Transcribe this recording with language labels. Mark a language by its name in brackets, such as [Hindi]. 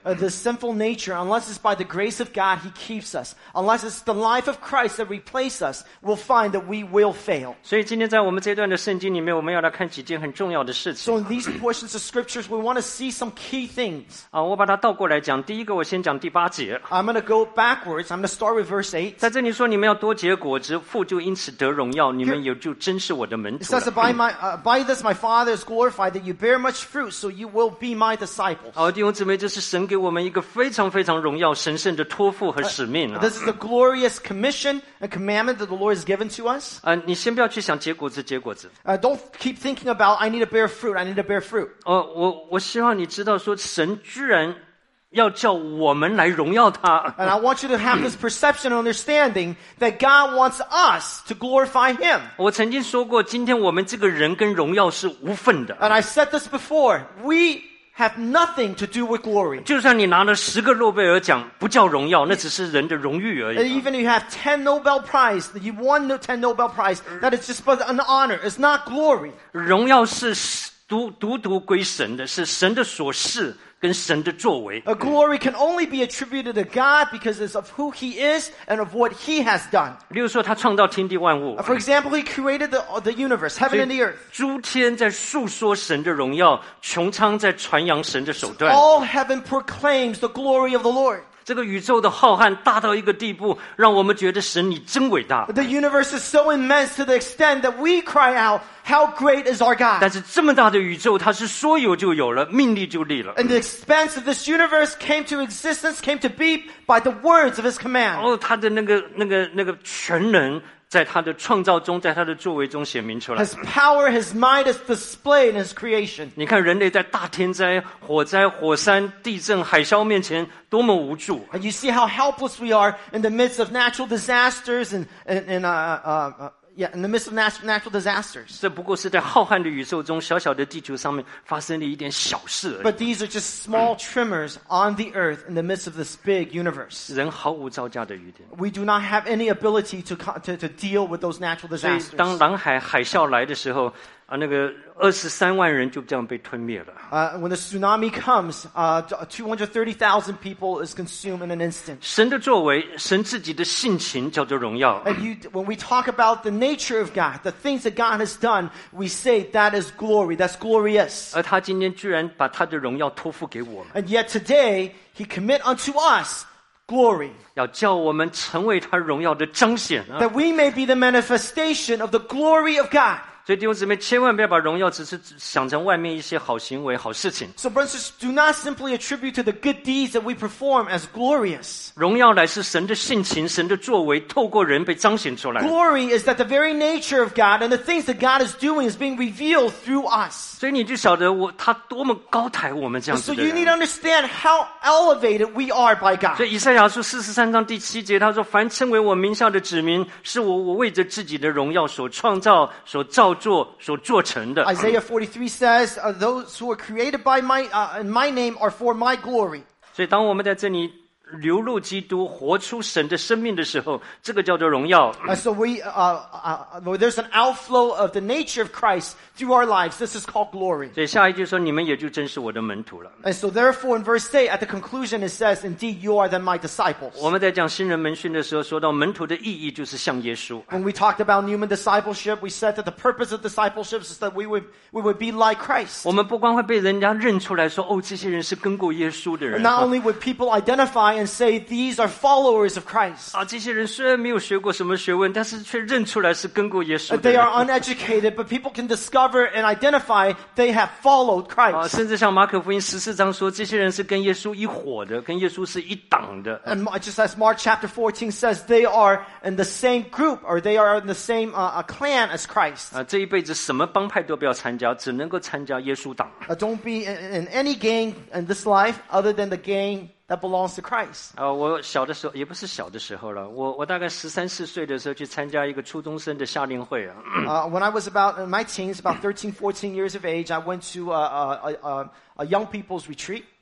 [English] The sinful nature, unless it's by the grace of God, He keeps us. Unless it's the life of Christ that replaces us, we'll find that we will fail. [Chinese] 所以今天在我们这段的圣经里面，我们要来看几件很重要的事情。 [English] So in these portions of scriptures, we want to see some key things. [Chinese] 我把它倒过来讲。第一个，我先讲第八节。 [English] I'm going to go backwards. I'm going to start with verse 8. [Chinese] 在这里说，你们要多结果子，父就因此得荣耀，你们也就真是我的门徒。 [English] It says, by this my Father is glorified. That you bear much fruit, so you will be my disciples. [Chinese] 弟兄姊妹，这是神给我们一个非常非常荣耀、神圣的托付和使命。 [English] This is a glorious commission, a commandment that the Lord has given to us. [Chinese] 你先不要去想结果子，结果子。 [English] Don't keep thinking about I need to bear fruit. I need to bear fruit. [Chinese] 我希望你知道，说神居然要叫我们来荣耀他。 [English] And I want you to have this perception and understanding that God wants us to glorify Him. [Chinese] 我曾经说过，今天我们这个人跟荣耀是无份的。 [English] And I said this before, we have nothing to do with glory. [Chinese] 就算你拿了十个诺贝尔奖，不叫荣耀，那只是人的荣誉而已。 [English] And even if you have 10 Nobel Prize, you won 10 Nobel Prize, that is just an honor. It's not glory. [Chinese] 荣耀是独归神的，是神的所事。跟神的作为。 [English] A glory can only be attributed to God because it's of who He is and of what He has done. [Chinese] 例如说，他创造天地万物。 [English] For example, He created the universe, heaven and the earth. [Chinese] 诸天在述说神的荣耀，穹苍在传扬神的手段。 [English] All heaven proclaims the glory of the Lord. [Chinese] 这个宇宙的浩瀚大到一个地步，让我们觉得神你真伟大。 [English] The universe is so immense to the extent that we cry out. How great is our God? [Chinese] 但是这么大的宇宙，它是说有就有了，命立就立了。 [English] And the expanse of this universe came to existence, came to be by the words of His command. [Chinese] 它的那个全能在他的创造中，在他的作为中显明出来。 [English] His power, His might is displayed in His creation. [Chinese] 你看人类在大天灾、火灾、火山、地震、海啸面前多么无助。 [English] And you see how helpless we are in the midst of natural disasters in the midst of natural disasters. [Chinese] 这不过是在浩瀚的宇宙中，小小的地球上面发生了一点小事而已。 [English] But these are just small tremors on the earth in the midst of this big universe. [Chinese] 人毫无招架的余地。 [English] We do not have any ability to deal with those natural disasters. [Chinese] 所以当南海海啸来的时候，那个23万人就这样被吞灭了。 [English] When the tsunami comes, 230,000 people is consumed in an instant. [Chinese] 神的作为，神自己的性情叫做荣耀。 [English] When we talk about the nature of God, the things that God has done, we say that is glory, that's glorious. [Chinese] 而他今天居然把他的荣耀托付给我们。 [English] And yet today, he commit unto us glory. [Chinese] 要叫我们成为他荣耀的彰显。 [English] That we may be the manifestation of the glory of God. [Chinese] 所以弟兄姊妹，千万不要把荣耀只是想成外面一些好行为、好事情。 [English] So brothers, do not simply attribute to the good deeds that we perform as glorious. [Chinese] 荣耀乃是神的性情、神的作为，透过人被彰显出来。 [English] Glory is that the very nature of God and the things that God is doing is being revealed through us. [Chinese] 所以你就晓得他多么高抬我们这样子的人。 [English] So you need to understand how elevated we are by God. [Chinese] 所以以赛亚书43:7，他说：“凡称为我名下的子民，是我为着自己的荣耀所创造、所造。” [English] Isaiah 43 says, those who are created by my name are for my glory. [Chinese] 所以当我们在这里流露基督，活出神的生命的时候，这个叫做荣耀。 [English] There's an outflow of the nature of Christ through our lives. This is called glory. [Chinese] 所以下一句说，你们也就真是我的门徒了。 [English] And so therefore, in verse 8, at the conclusion, it says, indeed, you are then my disciples. [Chinese] 我们在讲新人门训的时候，说到门徒的意义就是像耶稣。 [English] When we talked about Newman discipleship, we said that the purpose of discipleship is that we would be like Christ. [Chinese] 我们不光会被人家认出来说，这些人是跟过耶稣的人。 [English] And not only would people identify and say these are followers of Christ. [Chinese] 这些人虽然没有学过什么学问，但是却认出来是跟过耶稣的人。 [English] They are uneducated, but people can discover and identify they have followed Christ. [Chinese] 甚至像马可福音14说，这些人是跟耶稣一伙的，跟耶稣是一党的。 [English] And just as Mark chapter 14 says, they are in the same group or they are in the same clan as Christ. [Chinese] 这一辈子什么帮派都不要参加，只能够参加耶稣党。 [English] Don't be in any gang in this life other than the gang. That belongs to Christ. [Chinese] 我小的时候也不是小的时候了。我大概13-14岁的时候去参加一个初中生的夏令会啊。 [English] When I was about in my teens, about 13-14 years of age, I went to a young people's retreat.